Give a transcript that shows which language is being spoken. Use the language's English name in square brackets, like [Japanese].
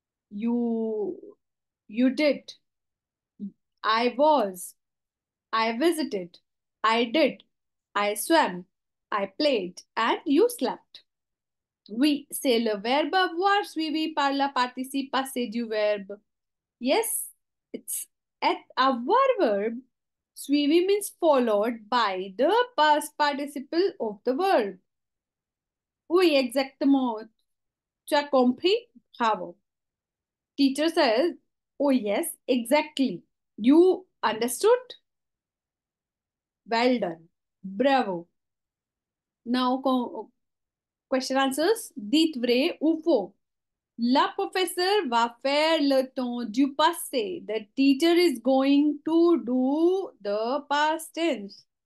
[English] You did. I was. I visited. I did. I swam. I played. And you slept. [French] Oui, c'est le verbe avoir suivi par la participe passée du verbe. [English] Yes, it's avoir verb. Suivi means followed by the past participle of the verb. [French] Oui, exactement. Tu as compris? Bravo. [English] Teacher says, oh yes, exactly. You understood? Well done. Bravo. Now, question answers. [French] Dites vrai ou faux? La professeur va faire le temps du passé. [English] The teacher is going to do the past tense.